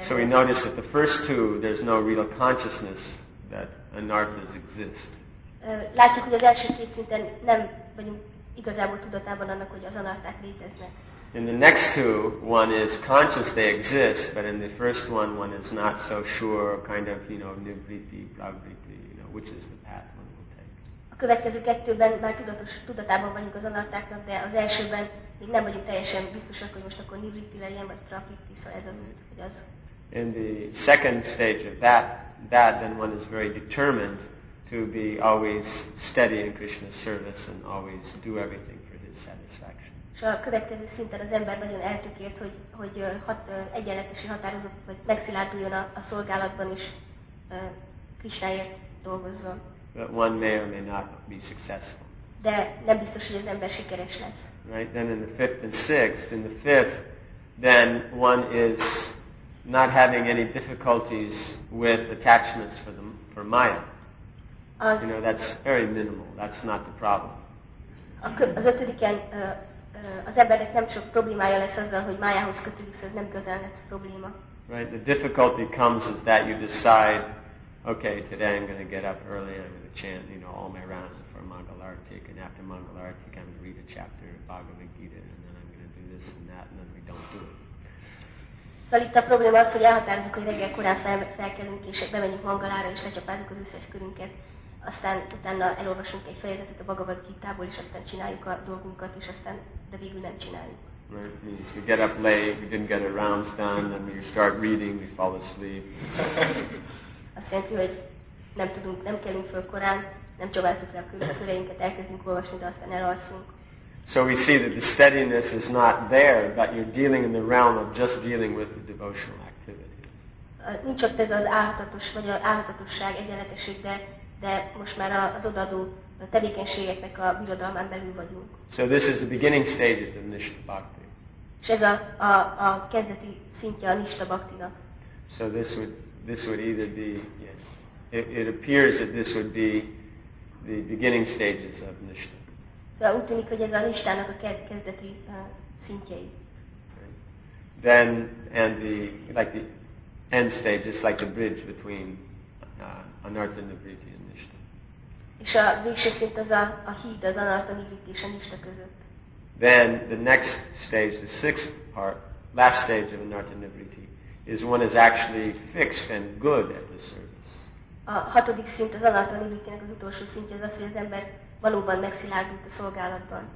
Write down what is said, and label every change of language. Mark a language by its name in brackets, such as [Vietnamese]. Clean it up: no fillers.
[English] So we notice that the first two, there's no real consciousness that anarthas exist. [Hungarian] Látjuk, hogy az első két szinten nem vagyunk igazából tudatában annak, hogy az anarták léteznek. [English] In the next two, one is conscious they exist, but in the first one, one is not so sure, kind of, you know, nivriti, pravriti, you know, which is the path one will take. [Hungarian] A következő kettőben már tudatában vagyunk az anartáknak, de az elsőben még nem vagyunk teljesen biztosak, hogy most akkor nivriti legyen, vagy pravriti, szóval ez az, hogy az. [English] In the second stage of that, then one is very determined to be always steady in Krishna's service and always do everything for his satisfaction. [Hungarian] So a következő szinten az ember nagyon eltökélt, hogy egyenletesen határozott, vagy megszilárduljon a szolgálatban is Krishnáért dolgozzon. [English] But one may or may not be successful. [Hungarian] De nem biztos, hogy az ember sikeres lesz. [English] Right, then in the fifth and sixth, in the fifth, then one is not having any difficulties with attachments for Maya. You know, that's very minimal. That's not the problem. [Hungarian] Az ötödiken az embernek nem sok problémája lesz azzal, hogy Mayához kötődik, ez nem igazán lesz probléma. [English] Right, the difficulty comes is that you decide, okay, today I'm going to get up early, I'm going to chant, you know, all my rounds before Mangalartik, and after Mangalartik I'm going to read a chapter of Bhagavad Gita, and then I'm going to do this and that, and then we don't do it. [Hungarian] Szóval itt a probléma az, hogy elhatározunk, hogy reggel korán felkelünk, és bemegyünk Mangalára, és lecsapázunk az összes körünket. Aztán utána elolvasunk egy fejezetet a Bhagavad Gita-ból, és aztán csináljuk a dolgunkat, és aztán de végül nem csináljuk. [English] Right, we get up late, we didn't get our rounds done, and we start reading, we fall asleep. [Hungarian] Azt jelenti, hogy nem kelünk föl korán, nem csaváltuk le a köveinket, elkezdünk olvasni, de aztán elalszunk. [English] So we see that the steadiness is not there, but you're dealing in the realm of just dealing with the devotional activity. [Hungarian] Nincs ott ez az áhítatos vagy az áhítatosság egyenletesség, de most már az odaadó tevékenységeknek a birodalmán belül vagyunk. [English] So this is the beginning stage of the Nishtha Bhakti. [Hungarian] És ez a kezdeti szintje a Nishtha Bhaktinak. [English] So this would either be, yes, it appears that this would be the beginning stages of Nishtha. [Hungarian] De úgy tűnik, hogy ez a listának a kezdeti szintjei. [English] Then and the like the end stage is like the bridge between anartha nivritti and nishtha. [Hungarian] És a végső szint az a híd az anartha nivritti és a nishtha között. [English] Then the next stage, the sixth part, last stage of anartha nivritti, is one is actually fixed and good at the service. [Hungarian] A hatodik szint az anartha nivrittinek az utolsó szintje az, hogy az ember valóban megszilárdult a szolgálatban.